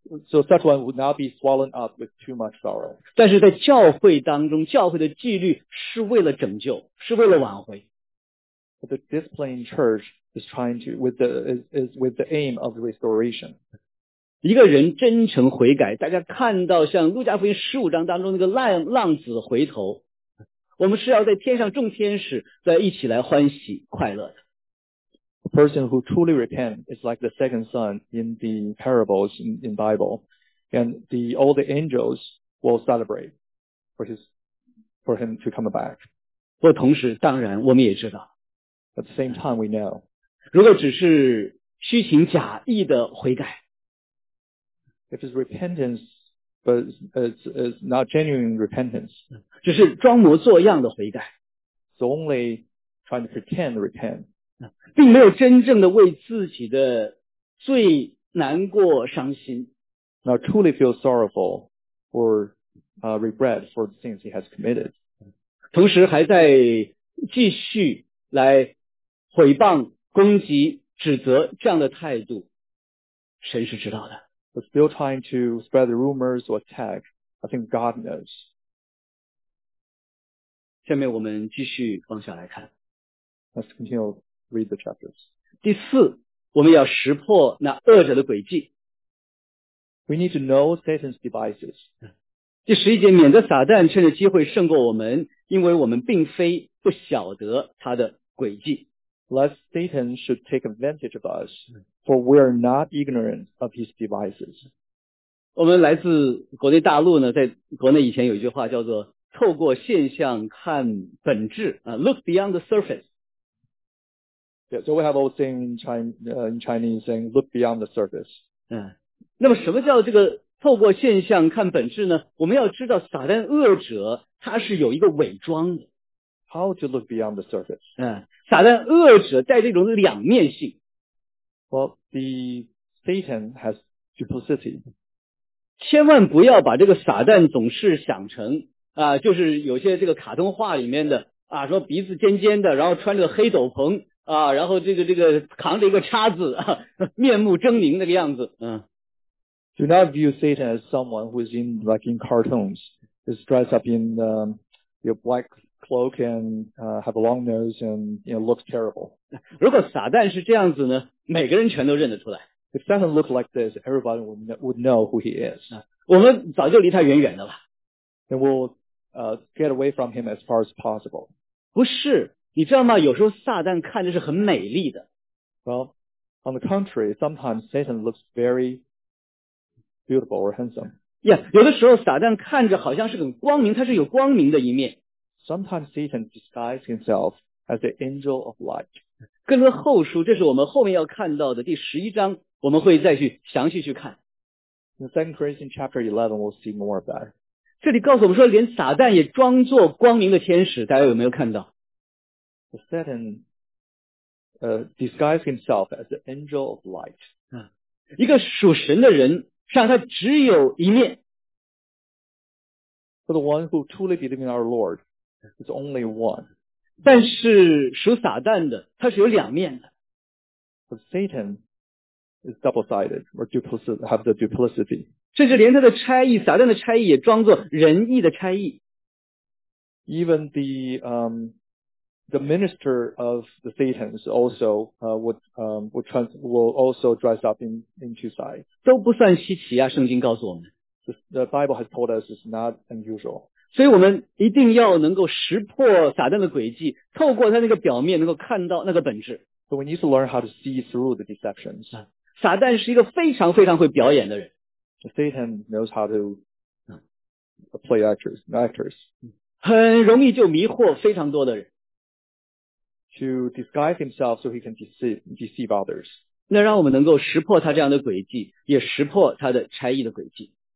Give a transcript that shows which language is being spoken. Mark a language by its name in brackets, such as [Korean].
[English] So such one would not be swollen up with too much sorrow. [Chinese] 但是在教会当中教会的纪律是为了拯救是为了挽回。 [English] But the discipline in church is trying to, with the aim of restoration. [Chinese] 一个人真诚悔改，大家看到像路加福音十五章当中那个浪子回头，我们是要在天上众天使在一起来欢喜快乐的。 [English] A person who truly repent is like the second son in the parables in Bible, and all the angels will celebrate for him to come back. [Chinese] 不过同时，当然我们也知道。 [English] At the same time, we know. [Chinese] 如果只是虚情假意的悔改。 [English] If it's repentance, but it's not genuine repentance. [Chinese] 只是装模作样的悔改。 [English] So only trying to pretend to repent. [Chinese] 并没有真正的为自己的罪难过伤心。 [English] Not truly feel sorrowful or regret for the things he has committed. [Chinese] 同时还在继续来毁谤、攻击、指责这样的态度。神是知道的。 [English] But still trying to spread the rumors or attack, I think God knows. [Chinese] 下面我们继续往下来看。 [English] Let's continue read the chapters. [Chinese] 第四，我们要识破那恶者的诡计。 [English] We need to know Satan's devices. [Chinese] 第十一节，免得撒旦趁着机会胜过我们，因为我们并非不晓得他的诡计。 [English] Lest Satan should take advantage of us, for we are not ignorant of his devices. [Chinese] 我们来自国内大陆呢，在国内以前有一句话叫做透过现象看本质、 [English] look beyond the surface. Yeah, so we have a saying in Chinese saying look beyond the surface. [Chinese] 那么什么叫这个透过现象看本质呢？我们要知道撒旦恶者他是有一个伪装的。 [English] How to look beyond the surface? [Chinese] 撒旦恶者带着一种两面性。 [English] Well, the Satan has duplicity. [Chinese] 千万不要把这个撒旦总是想成啊，就是有些这个卡通画里面的啊，说鼻子尖尖的，然后穿着黑斗篷啊，然后这个扛着一个叉子、啊、面目狰狞那个样子。 [English] Do not view Satan as someone who is in like in cartoons. He's dressed up in your black cloak and have a long nose and you know looks terrible. [Chinese] 如果撒旦是这样子呢，每个人全都认得出来。 [English] If Satan looked like this, everybody would know who he is. [Chinese] 我们早就离他远远的了。 [English] And we'll get away from him as far as possible. [Chinese] 不是，你知道吗？有时候撒旦看着是很美丽的。 [English] Well, on the contrary, sometimes Satan looks very beautiful or handsome. [Chinese] Yeah, 有的时候撒旦看着好像是很光明，他是有光明的一面。 [English] Sometimes Satan disguises himself as the angel of light. [Chinese] 跟着后书，这是我们后面要看到的第十一章，我们会再去详细去看。 [English] In the second Corinthians chapter 11, we'll see more of that. [Chinese] 这里告诉我们说，连撒旦也装作光明的天使，大家有没有看到？ [English] Satan disguises himself as the angel of light. [Chinese] 一个属神的人，实际上他只有一面。 [English] For the one who truly believes in our Lord. It's only one. [Chinese] 但是属撒旦的他是有两面的。 [English] But Satan is double-sided or have the duplicity. [Chinese] 甚至连他的差役撒旦的差役也装作仁义的差役。 [English] Even the minister of the Satans also would also dress up in two sides. [Chinese] 都不算稀奇啊，圣经告诉我们。 [English] The Bible has told us it's not unusual. [Chinese] 所以我们一定要能够识破撒旦的诡计，透过他那个表面能够看到那个本质。 [English] So we need to learn how to see through the deceptions. [Chinese] 撒旦是一个非常非常会表演的人。 [English] Satan knows how to play actors. [Chinese] 很容易就迷惑非常多的人。 [English] To disguise himself so he can deceive others. [Chinese] 那让我们能够识破他这样的诡计，也识破他的差役的诡计。